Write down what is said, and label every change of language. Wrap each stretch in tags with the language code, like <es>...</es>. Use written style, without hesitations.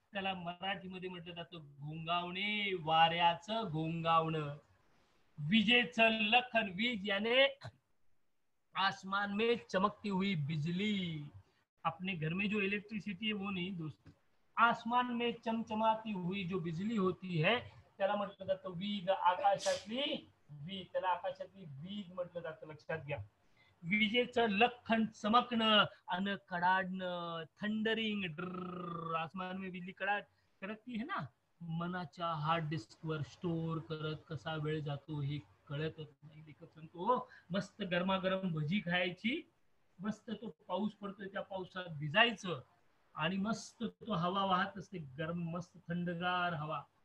<mr>त्याला मराठी मध्ये म्हटलं जातं घोंगावणे, वाऱ्याचं घोंगावण, विजेचं लखन, वीज</mr> <hi>याने आसमान में चमकती हुई बिजली। अपने घर में जो इलेक्ट्रिसिटी है वो नहीं दोस्त, आसमान में चमचमाती हुई जो बिजली होती है</hi> <mr>त्याला म्हटलं जातं वीज, आकाशातली वीज, त्याला आकाशातली वीज म्हटलं जातं, लक्षात घ्या। विजेचं लखन चमकणं आणि कडाडणं, थंडरिंग, ड्र,</mr> <hi>आसमान में बिजली कडाड करती है ना,</hi> <mr>मनाच्या हार्ड डिस्क वर स्टोर करत कसा वेळ जातो हे कळतच नाही। लेखक सांगतो मस्त गरमागरम भजी खायची, मस्त तो पाऊस पडतोय त्या पावसात भिजायचं आणि मस्त तो हवा वाहत असते गरम, मस्त थंडगार हवा,</mr>